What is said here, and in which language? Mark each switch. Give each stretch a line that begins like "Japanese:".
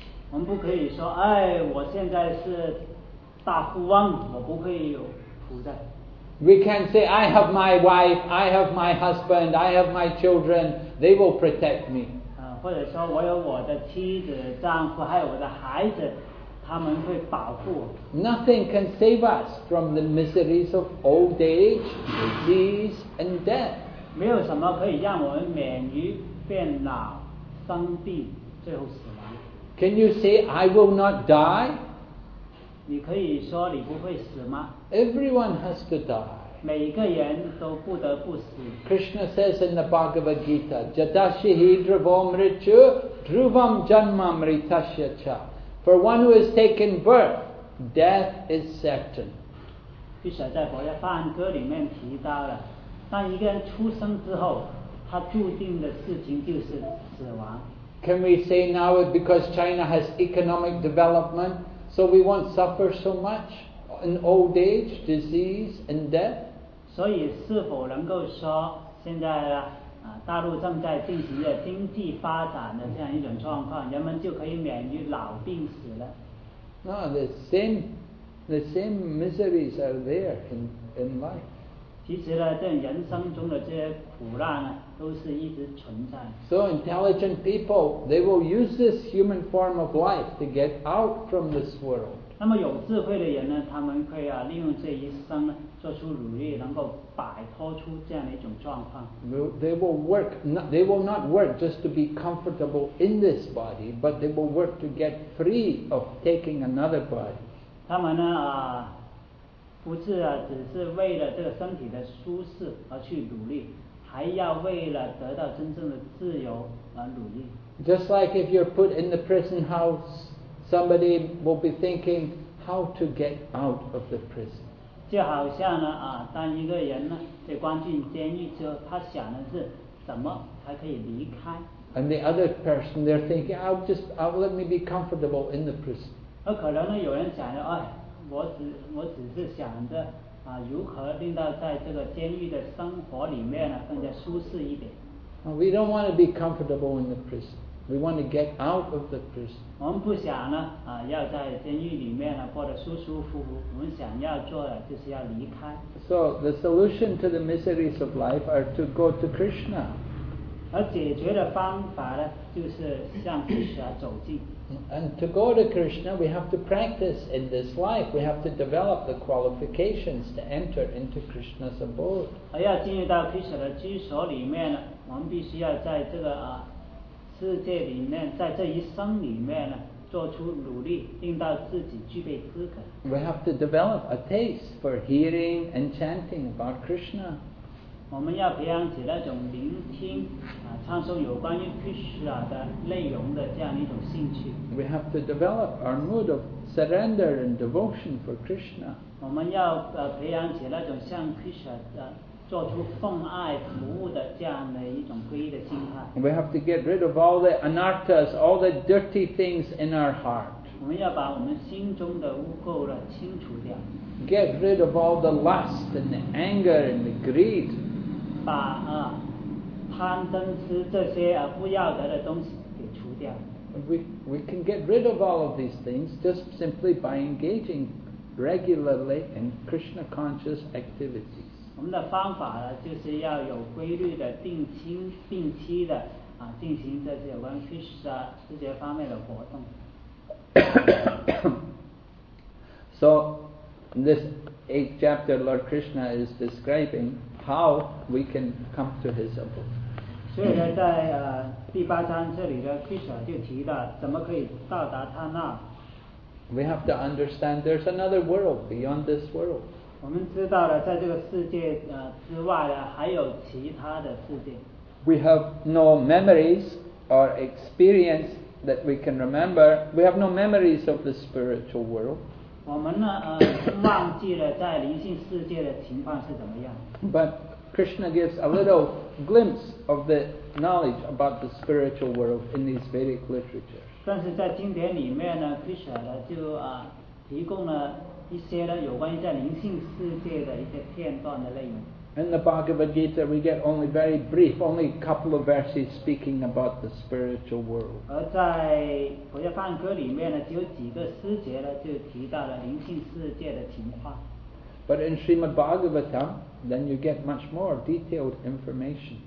Chinese: 我们不可以说，哎，我现在是大富翁，我不会有苦的。
English: We can't say, I have my wife, I have my husband, I have my children. They will protect me.
Chinese: 或者说我有我的妻子、丈夫，还有我的孩子，他们会保护我。
English: Nothing can save us from the miseries of old age, disease, and death.
Chinese: 没有什么可以让我们免于变老、生病、最后死亡。
English: Can you say I will not die?
Chinese: 你可以说你不会死吗？
English: Everyone has to die.
Chinese: 每个人都不得不死。
English: Krishna says in the Bhagavad Gita,
Sanskrit: Jatashihi dravomrityu dhruvam janma mritasya cha.
English: For one who has taken birth, death is certain.
Chinese: 毗舍在佛教梵歌里面提到了。当一个人出生之后，他注定的事情就是死亡。
English: Can we say now because China has economic development, so we won't suffer so much in old age, disease, and death?
Chinese: 所以是否能够说，现在大陆正在进行着经济发展的这样一种状况，人们就可以免于老病死了？
English: No, the same miseries are there in life.
Chinese: 其实呢，在人生中的这些苦难呢，都是一直存在。
English: So intelligent people, they will use this human form of life to get out from this world.
Chinese: 那么有智慧的人呢，他们会啊，利用这一生呢，做出努力，能够摆脱出这样的一种状况。
English: They will work. They will not work just to be comfortable in this body, but they will work to get free of taking another body.
Chinese: 他们呢啊。不是啊，只是为了这个身体的舒适而去努力，还要为了得到真正的自由而努力。
English: Just like if you're put in the prison house, somebody will be thinking how to get out of the prison.
Chinese: 就好像呢啊，当一个人呢被关进监狱之后，他想的是怎么才可以离开。
English: And the other person, they're thinking, I'll let me be comfortable in the prison.
Chinese: 而可能呢，有人想着，哎。我只是想着啊，如何令到在这个监狱的生活里面呢更加舒适一点。
English: We don't want to be comfortable in the prison. We want to get out of the prison.
Chinese: 我们不想呢啊，要在监狱里面呢过得舒舒服服。我们想要做的就是要离开。
English: So the solution to the miseries of life are to go to Krishna.
Chinese: 而解决的方法呢，就是向菩萨走近。
English: And to go to Krishna, we have to practice in this life. We have to develop the qualifications to enter into Krishna's abode.
Chinese: 要进入到 Krishna 的居所里面呢，我们必须要在这个啊世界里面，在这一生里面呢，做出努力，令到自己具备资格。
English: We have to develop a taste for hearing and chanting about Krishna.
Chinese: 我们要培养起那种聆听。唱诵有关于 Krishna 的内容的这样一种兴趣。
English: We have to develop our mood of surrender and devotion for Krishna.
Chinese: 我们要培养起那种向 Krishna 做出奉爱服务的这样的一种皈依的心态。
English: We have to get rid of all the anarthas, all the dirty things in our heart.
Chinese: 我们要把我们心中的污垢呢清除掉。
English: Get rid of all the lust and the anger and the greed.
Chinese: 把啊。贪嗔痴这些不要得的东西给除掉。
English: We can get rid of all of these things just simply by engaging regularly in Krishna conscious activities.
Chinese: 我们的方法呢，就是要有规律的定期的啊，进行这些关于 Krishna 这些方面的活动。
English: So in this eighth chapter, Lord Krishna is describing how we can come to His abode.
Chinese: 所以呢，在第八章这里的 Krishna 就提到怎么可以到达他那。
English: We have to understand there's another world beyond this world.
Chinese: 我们知道了，在这个世界之外呢，还有其他的世界。
English: We have no memories or experience that we can remember. We have no memories of the spiritual world.
Chinese: 我们呢，忘记了在灵性世界的情况是怎么样。
English: But Krishna gives a little glimpse of the knowledge about the spiritual world in these Vedic literature.
Chinese: 但是在经典里面呢 ，Krishna 呢就提供了一些呢有关于在灵性世界的一些片段的内容。
English: In the Bhagavad Gita, we get only very brief, only a couple of verses speaking about the spiritual world.
Chinese: 而在《佛教梵歌》里面呢，只有几个诗节呢，就提到了灵性世界的情况。
English: But in Srimad Bhagavatam, then you get much more detailed information.